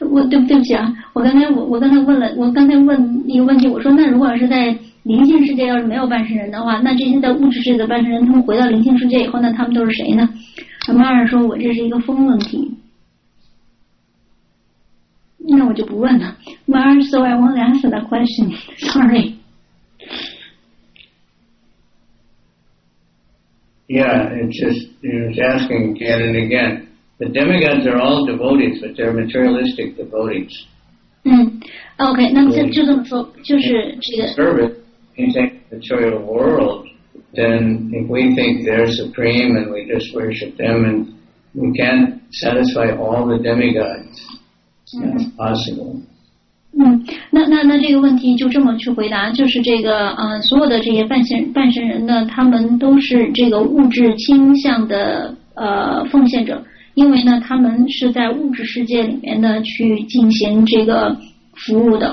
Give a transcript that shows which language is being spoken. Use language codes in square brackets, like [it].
[zh] 对不起啊，我刚才问你一个问题，我说那如果是在灵性世界要是没有半神人的话，那这些在物质世界的半神人，他们回到灵性世界以后，那他们都是谁呢？马尔说我这是一个疯问题，那我就不问了。 [en] 马尔 ，so I won't answer that question. Sorry. Yeah, it's asking again and again. The demigods are all devotees, but they're materialistic devotees. [zh] OK, 那么就这么说，就是这个。 [en] In the material world, then if we think they're supreme and we just worship them, and we can't satisfy all the demigods, that's possible. [zh] 那这个问题就这么去回答，就是这个所有的这些半神人呢，他们都是这个物质倾向的奉献者，因为呢，他们是在物质世界里面呢去进行这个服务的。